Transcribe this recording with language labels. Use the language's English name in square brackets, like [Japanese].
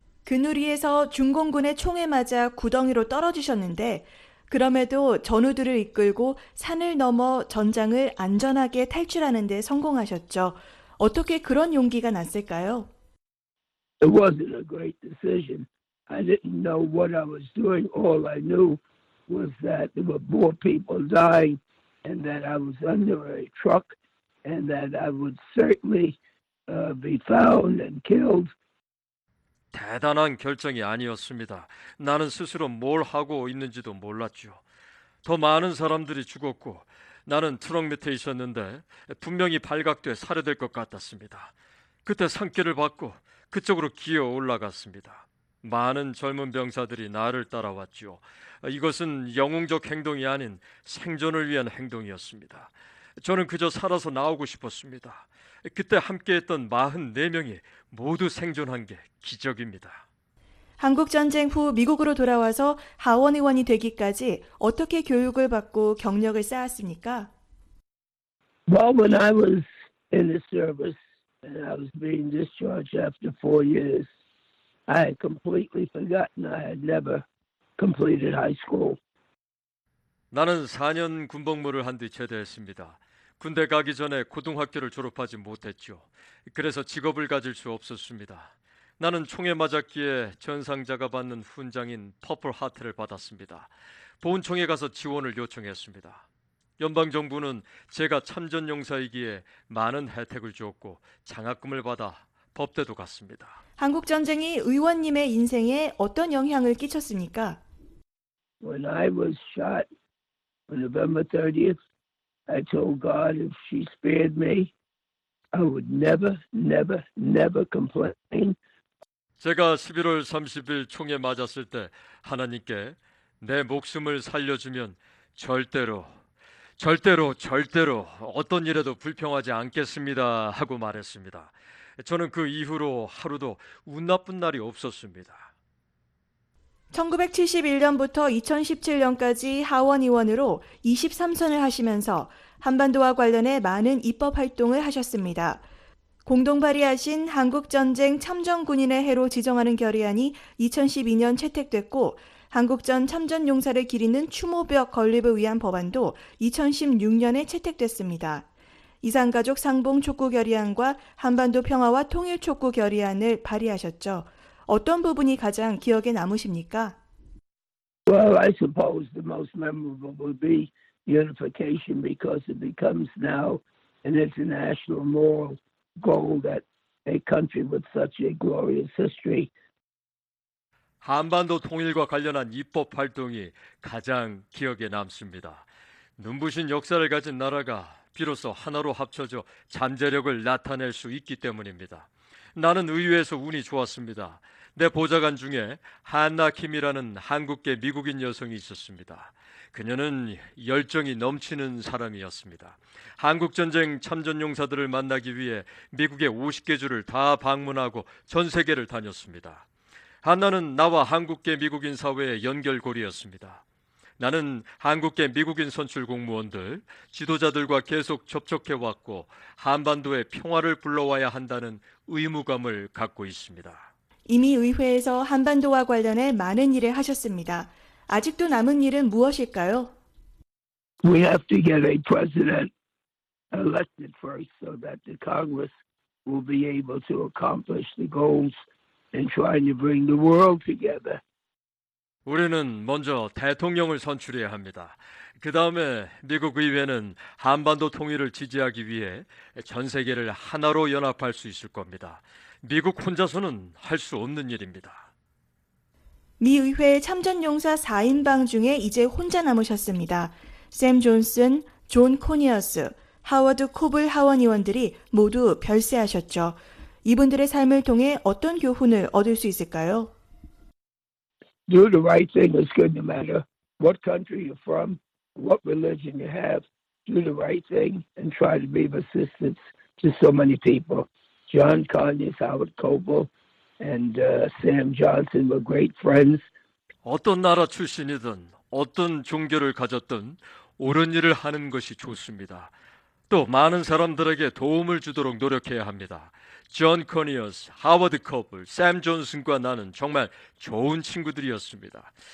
[Korean] 그누리에서 중공군의 총에 맞아 구덩이로 떨어지셨는데 그럼에도 전우들을 이끌고 산을 넘어 전장을 안전하게 탈출하는 데 성공하셨죠. 어떻게 그런 용기가 났을까요? [English] It wasn't a great decision. I didn't know what I was doing. All I knew was that there were more people dying and that I was under a truck and that I would certainly be found and killed. [Korean] 대단한 결정이 아니었습니다. 나는 스스로 뭘 하고 있는지도 몰랐죠. 더 많은 사람들이 죽었고 나는 트럭 밑에 있었는데 분명히 발각돼 살해될 것 같았습니다. 그때 산길을 받고 그쪽으로 기어 올라갔습니다. 많은 젊은 병사들이 나를 따라왔죠. 이것은 영웅적 행동이 아닌 생존을 위한 행동이었습니다. 저는 그저 살아서 나오고 싶었습니다. 그때 함께했던 44명이 모두 생존한 게 기적입니다. 한국전쟁 후 미국으로 돌아와서 하원의원이 되기까지 어떻게 교육을 받고 경력을 쌓았습니까? [English] Well, when I was in the service and I was being discharged after 4 years, I had completely forgotten I had never completed high school. [Korean] 나는 4년 군복무를 한 뒤 제대했습니다. 군대 가기 전에 고등학교를 졸업하지 못했죠. 그래서 직업을 가질 수 없었습니다. 나는 총에 맞았기에 전상자가 받는 훈장인 퍼플 하트를 받았습니다. 보훈청에 가서 지원을 요청했습니다. 연방정부는 제가 참전용사이기에 많은 혜택을 주었고 장학금을 받아 법대도 갔습니다. 한국전쟁이 의원님의 인생에 어떤 영향을 끼쳤습니까? [English] When I was shot on November 30th, I told God if she spared me, I would never, never, never complain. [Korean] 제가 11월 30일 총에 맞았을 때 하나님께 내 목숨을 살려주면 절대로, 절대로, 절대로 어떤 일에도 불평하지 않겠습니다 하고 말했습니다. 저는 그 이후로 하루도 운 나쁜 날이 없었습니다. 1971년부터 2017년까지 하원의원으로 23선을 하시면서 한반도와 관련해 많은 입법 활동을 하셨습니다. 공동 발의하신 한국전쟁 참전군인의 해로 지정하는 결의안이 2012년 채택됐고 한국전 참전용사를 기리는 추모벽 건립을 위한 법안도 2016년에 채택됐습니다. 이산가족 상봉 촉구 결의안과 한반도 평화와 통일 촉구 결의안을 발의하셨죠. 어떤 부분이 가장 기억에 남으십니까? [English] Well, I suppose the most memorable would be unification because it becomes now an international moral goal that a country with such a glorious history. [Korean] 한반도 통일과 관련한 입법 활동이 가장 기억에 남습니다. 눈부신 역사를 가진 나라가 비로소 하나로 합쳐져 잠재력을 나타낼 수 있기 때문입니다. 나는 의회에서 운이 좋았습니다. 내 보좌관 중에 한나 킴이라는 한국계 미국인 여성이 있었습니다. 그녀는 열정이 넘치는 사람이었습니다. 한국전쟁 참전용사들을 만나기 위해 미국의 50개 주를 다 방문하고 전 세계를 다녔습니다. 한나는 나와 한국계 미국인 사회의 연결고리였습니다. 나는 한국계 미국인 선출 공무원들, 지도자들과 계속 접촉해왔고 한반도에 평화를 불러와야 한다는 의무감을 갖고 있습니다. 이미 의회에서 한반도와 관련해 많은 일을 하셨습니다. 아직도 남은 일은 무엇일까요? [English] We have to get a president elected first so that the Congress will be able to accomplish the goals and trying to bring the world together. [Korean] 우리는 먼저 대통령을 선출해야 합니다. 그 다음에 미국 의회는 한반도 통일을 지지하기 위해 전 세계를 하나로 연합할 수 있을 겁니다. 미국 혼자서는 할 수 없는 일입니다. 미 의회 참전용사 4인방 중에 이제 혼자 남으셨습니다. 샘 존슨, 존 코니어스, 하워드 코블 하원의원들이 모두 별세하셨죠. 이분들의 삶을 통해 어떤 교훈을 얻을 수 있을까요? [English] Do the right thing is good no matter what country you're from, what religion you have. Do the right thing and try to be of assistance to so many people. John Conyers, Howard Coble, and Sam Johnson were great friends. [Korean] 어떤 나라 출신이든 어떤 종교를 가졌든 옳은 일을 하는 것이 좋습니다. 또 많은 사람들에게 도움을 주도록 노력해야 합니다. 존 커니어스, 하워드 커블, 샘 존슨과 나는 정말 좋은 친구들이었습니다.